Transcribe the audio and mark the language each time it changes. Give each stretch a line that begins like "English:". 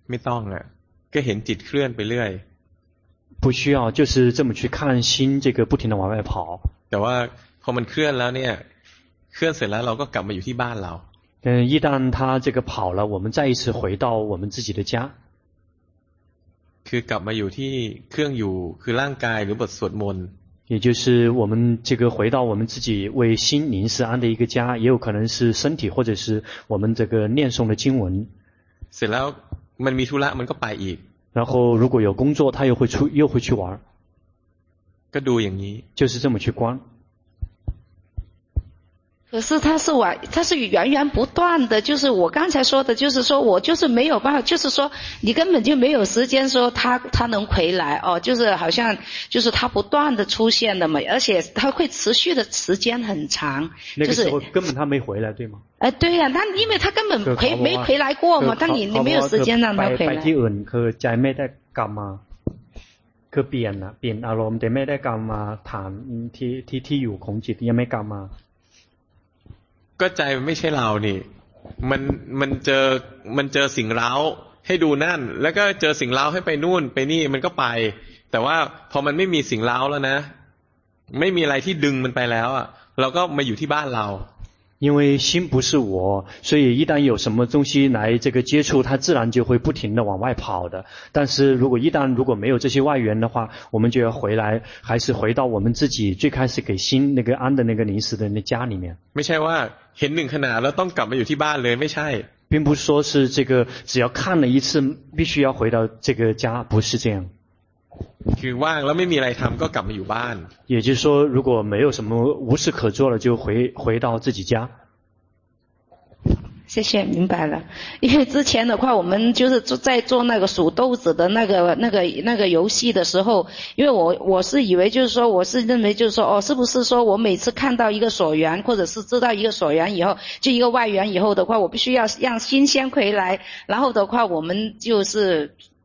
Thai: ไม่ต้องเลยก็เห็นจิตเคลื่อนไปเรื่อย
Chinese: 不需要就是这么去看心这个不停的往外跑
Thai: แต่ว่าพอมันเคลื่อนแล้วเนี่ยเคลื่อนเสร็จแล้วเราก็กลับมาอยู่ที่บ้านเรา
Chinese: 一旦他这个跑了我们再一次回到我们自己的家
Thai: คือกลับมาอยู่ที่เครื่องอยู่คือร่างกายหรือบทสวดมนต์
Chinese: 也就是我们这个回到我们自己为心灵是安的一个家也有可能是身体或者是我们这个念诵的经文
Thai: เสร็จแล้วมันมีธุระมันก็ไปอีก
Chinese: 然后如果有工作他又会去玩
Thai: ก็ดูอย่างนี้
Chinese: 就是这么去观可是它是源源不断的就是我刚才说的就是说我就是没有办法就是说你根本就没有时间说它能回来哦就是好像就是它不断的出现的嘛而且它会持续的时间很长那个时候根本它没回来对吗对啊那因为它根本没回来过嘛但你没有时间让它回来。白天人可在没在干嘛可变了变阿罗我们得没在干嘛谈提有空气也没干嘛。
Thai: ก็ใจมันไม่ใช่เรานี่มันเจอสิ่งร้าวให้ดูนั่นแล้วก็เจอสิ่งร้าวให้ไปนู่นไปนี่มันก็ไปแต่ว่าพอมันไม่มีสิ่งร้าวแล้วนะไม่มีอะไรที่ดึงมันไปแล้วเราก็มาอยู่ที่บ้านเรา
Chinese: 因为心不是我所以一旦有什么东西来这个接触它自然就会不停的往外跑的但是如果没有这些外缘的话我们就要回来还是回到我们自己最开始给心那个安的那个临时的那家里面
Thai: ไม่ใช่ว่าเห็นหนึ่งขนาดแล้วต้องกลับมาอยู่ที่บ้านเลยไม่ใช่
Chinese: 并不是说是这个只要看了一次必须要回到这个家不是这样
Thai: คือว่างแล้วไม่มีอะไรทำก็กลับมาอยู่บ้าน
Chinese: 也就是说如果没有什么无事可做了就回到自己家谢谢明白了因为之前的话我们就是在做那个数豆子的那个游戏的时候因为我是以为就是说我是认为就是说哦，是不是说我每次看到一个所缘或者是知道一个所缘以后就一个外缘以后的话我必须要让心先回来然后的话我们就是